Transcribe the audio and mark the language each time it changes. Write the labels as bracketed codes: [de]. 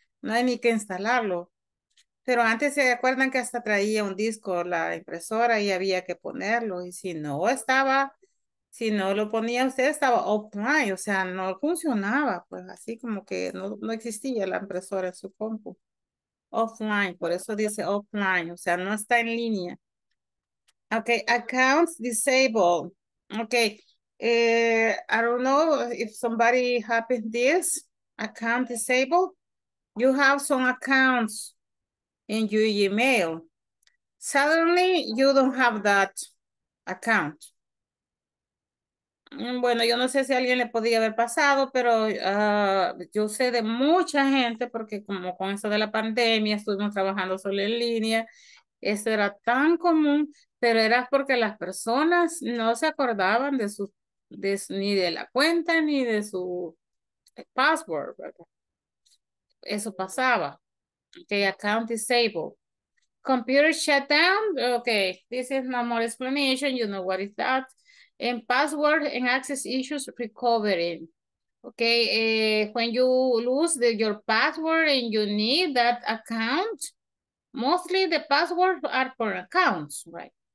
[es] No hay ni que instalarlo. Pero antes, ¿se acuerdan que hasta traía un disco la impresora y había que ponerlo? Y si no estaba, si no lo ponía usted, estaba offline. O sea, no funcionaba. Pues así como que no existía la impresora en su compu. Offline, por eso dice offline, o sea, no está en línea. [en] Ok, accounts disabled. Ok, I don't know if somebody happened this, account disabled. You have some accounts in your email. Suddenly, you don't have that account. [es] Bueno, yo no sé si a alguien le podía haber pasado, pero yo sé de mucha gente, porque como con eso de la pandemia, estuvimos trabajando solo en línea, eso era tan común, pero era porque las personas no se acordaban de ni de la cuenta, ni de su password, ¿verdad? Eso pasaba. [en] Okay, account disabled. Computer shutdown, okay, this is no more explanation, you know what is that. And password and access issues recovering. Okay, when you lose your password and you need that account, mostly the passwords are for accounts, right?